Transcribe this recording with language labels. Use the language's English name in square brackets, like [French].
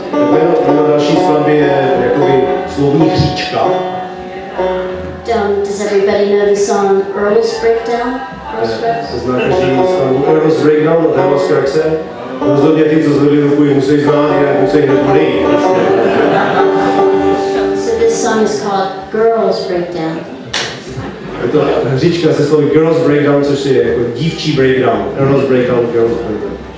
[Czech] Jméno naší skladby je jakoby slovní hříčka. [English] Does everybody know the song Earl's Breakdown? [Czech] To zná každý skladbu. Earl's Breakdown, od Hamas Kraxe. Rozhodně ty, co zvedli ruku, ji musí znát, jinak musí hned odejít. [English] So this song is called Girl's Breakdown. [Czech] Je to hříčka se slovy Girl's Breakdown, což je jako dívčí breakdown. [English] Earl's Breakdown, Girl's Breakdown.